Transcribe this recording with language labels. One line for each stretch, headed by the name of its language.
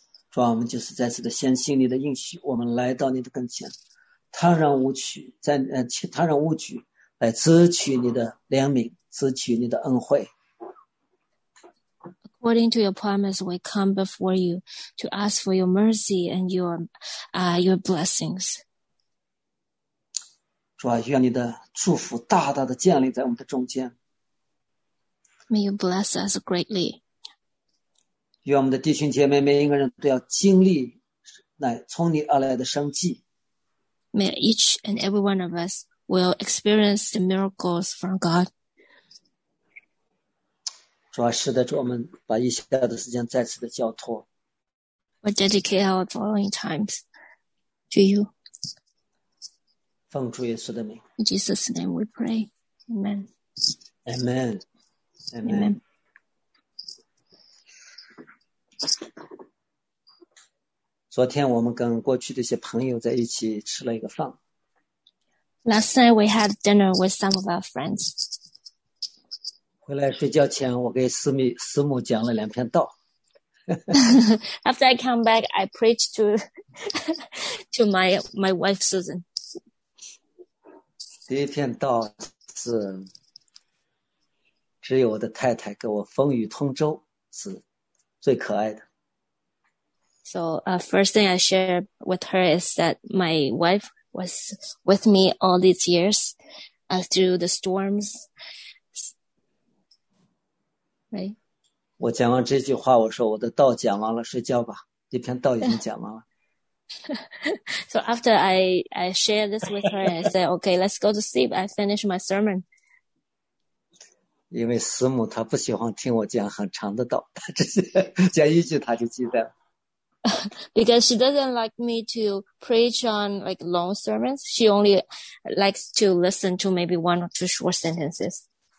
Chinese: 主啊，我们就是再次的相信你的应许，我们来到你的跟前，坦然无惧，坦然无惧来支取你的怜悯，支取你的恩惠。
English: According to your promise, we come before you to ask for your mercy and your blessings.
Chinese: 主啊，愿你的祝福大大的降临在我们的中间。
English: May you bless us greatly.
Chinese: 愿我们的弟兄姐妹每一个人都要经历来从你而来的生机。
English: May each and every one of us will experience the miracles from God.
Chinese: 主啊，是的，主，我们把以下的时间再次的交托。
English: We dedicate our following times to you.
Chinese: 奉主耶稣的名。
English: In Jesus' name we pray. Amen. Amen. Amen. Amen.
Chinese: 昨天我们跟过去的一些朋友在一起吃了一个饭。
English: Last night we had dinner with some of our friends.
Chinese: 回来睡觉前，我给师母讲了两篇道。
English: After I come back, I preached to my wife Susan.
Chinese: 第一篇道是只有我的太太跟我风雨同舟是最可爱的。
English: So first thing I share with her is that my wife was with me all these years through the storms. Right? So after I share this with her, I say, okay, let's go to sleep. I finish my sermon.
Chinese: 因为师母她不喜欢听我讲很长的道，她只讲一句她就记得了。
English: Because she doesn't like me to preach on like long sermons. She only likes to listen to maybe one or two short sentences.